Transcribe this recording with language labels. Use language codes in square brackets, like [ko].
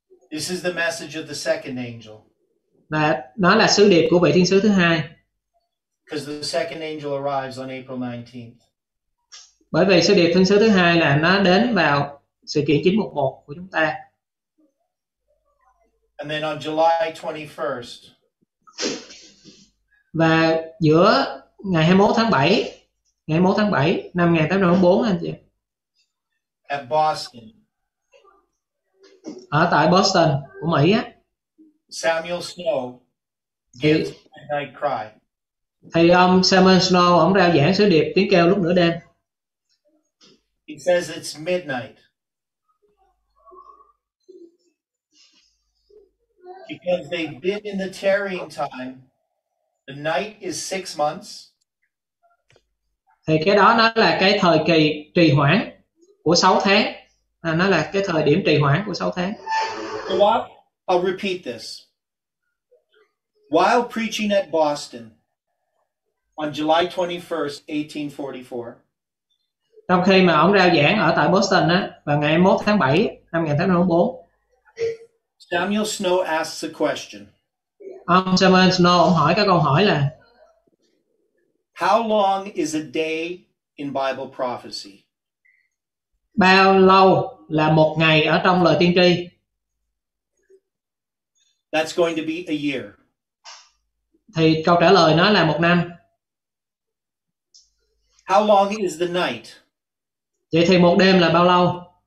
[en] This is the message of the second angel. [vi] Và nó là sứ điệp của vị thiên sứ thứ hai. [en] Because the second angel arrives on April 19th. [vi] Bởi vì sứ điệp thiên sứ thứ hai là nó đến vào sự kiện 911 của chúng ta. [en] And then on July 21st. [vi] Và giữa ngày 21 tháng 7 năm 1844 anh chị. [en] At Boston. [vi] Ở tại Boston của Mỹ á. [en] Samuel Snow gives a night cry. [vi] Thì ông Samuel Snow ông rao giảng sứ điệp tiếng kêu lúc nửa đêm. [en] He says it's midnight. Because they've been in the tarrying time, the night is 6 months. [vi] Thì cái đó nó là cái thời kỳ trì hoãn của 6 tháng. À, nó là cái thời điểm trì hoãn của 6 tháng. [en] I'll repeat this. While preaching at Boston on July 21st, 1844. [vi] Trong khi mà ông rao giảng ở tại Boston á vào ngày 1 tháng 7 năm 1844. [en] Samuel Snow asks a question. [vi] Ông Samuel Snow ông hỏi cái câu hỏi là [en] how long is a day in Bible prophecy? [vi] Bao lâu là một ngày ở trong lời tiên tri? [en] That's going to be a year. [vi] Thì câu trả lời nó là một năm. [en] How long is the night? [vi] Vậy thì một đêm là bao lâu?